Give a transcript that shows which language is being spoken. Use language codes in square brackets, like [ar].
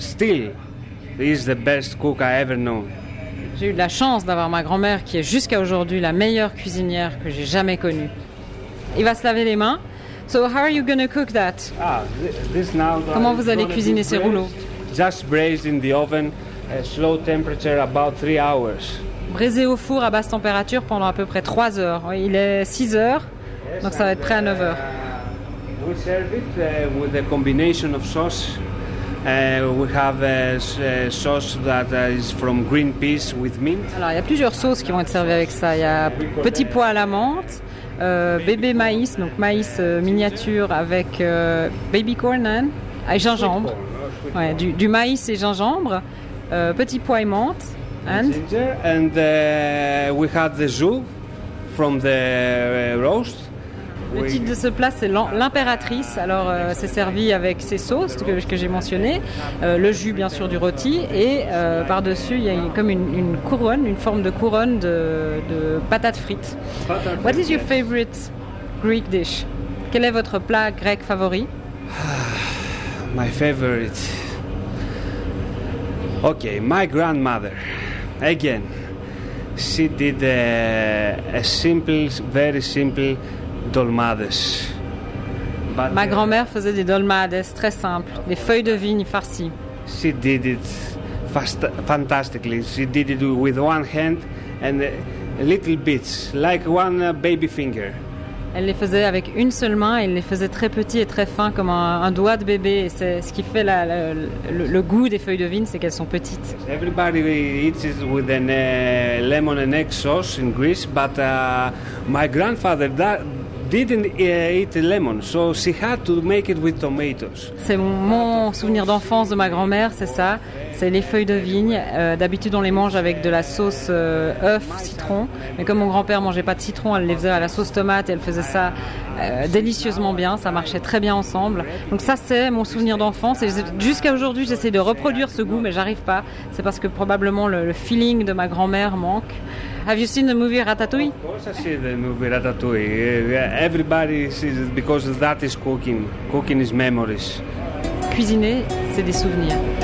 [en] Still, is the best cook I ever known. [fr] J'ai eu de la chance d'avoir ma grand-mère qui est jusqu'à aujourd'hui la meilleure cuisinière que j'ai jamais connue. Il va se laver les mains. [en] So how are you going to cook that? This now. [fr] Comment vous allez cuisiner ces rouleaux? [en] Just braised in the oven. A slow temperature, about 3 hours. [fr] Braisé au four à basse température pendant à peu près 3 heures. Il est 6 heures, [en] yes, [fr] donc ça va être prêt à 9 heures. [en] We serve it with a combination of sauce. We have a sauce that is from green peas with mint. [fr] Alors, il y a plusieurs sauces qui vont être servies avec ça. Il y a petit pois à la menthe, bébé maïs, donc maïs miniature avec [en] baby corn and [fr] gingembre. [en] Corn, [fr] ouais, du maïs et gingembre. Petit pois et menthe, [en] and ginger, and we had the jus from the roast. [fr] Le titre de ce plat, c'est l'impératrice. Alors, c'est servi avec ces sauces que j'ai mentionnées, le jus bien sûr du rôti, et par-dessus, il y a comme une couronne, une forme de couronne de patates frites. [en] What is your favorite Greek dish? [fr] Quel est votre plat grec favori? [en] My favorite. Okay, my grandmother, again, she did a simple, very simple dolmades. [fr] But ma grand-mère faisait des dolmades, très simples, des feuilles de vigne farcies. [en] She did it fantastically. She did it with one hand, and little bits, like one baby finger. [fr] Elle les faisait avec une seule main, et il les faisait très petits et très fins, comme un doigt de bébé. Et c'est ce qui fait le goût des feuilles de vigne, c'est qu'elles sont petites. [en] Everybody eats it with a lemon and egg sauce in Greece, but my grandfather didn't eat lemon, so she had to make it with tomatoes. [fr] C'est mon souvenir d'enfance de ma grand-mère, c'est ça. C'est les feuilles de vigne. D'habitude, on les mange avec de la sauce œuf, citron. Mais comme mon grand-père mangeait pas de citron, elle les faisait à la sauce tomate et elle faisait ça délicieusement bien. Ça marchait très bien ensemble. Donc ça, c'est mon souvenir d'enfance. Et jusqu'à aujourd'hui, j'essaie de reproduire ce goût, mais j'arrive pas. C'est parce que probablement le feeling de ma grand-mère manque. [en] Have you seen the movie Ratatouille? Of course, I see the movie Ratatouille. Everybody sees it because that is cooking. Cooking is memories. [fr] Cuisiner, c'est des souvenirs.